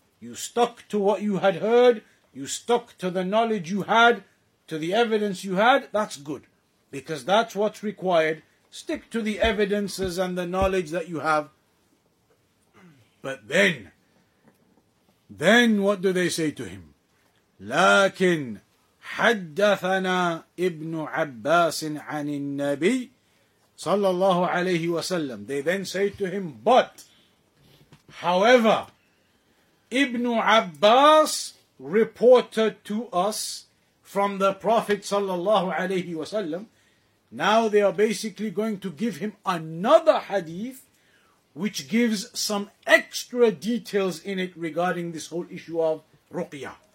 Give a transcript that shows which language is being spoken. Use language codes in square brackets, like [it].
[en] You stuck to what you had heard, you stuck to the knowledge you had, to the evidence you had, that's good. Because that's what's required. Stick to the evidences and the knowledge that you have. But then what do they say to him? [ar] لكن حدثنا ابن عباس عن النبي صلى الله عليه وسلم. [en] They then say to him, but, however, Ibn Abbas reported to us from the Prophet صلى الله عليه وسلم. Now they are basically going to give him another hadith which gives some extra details in it regarding this whole issue of ruqyah.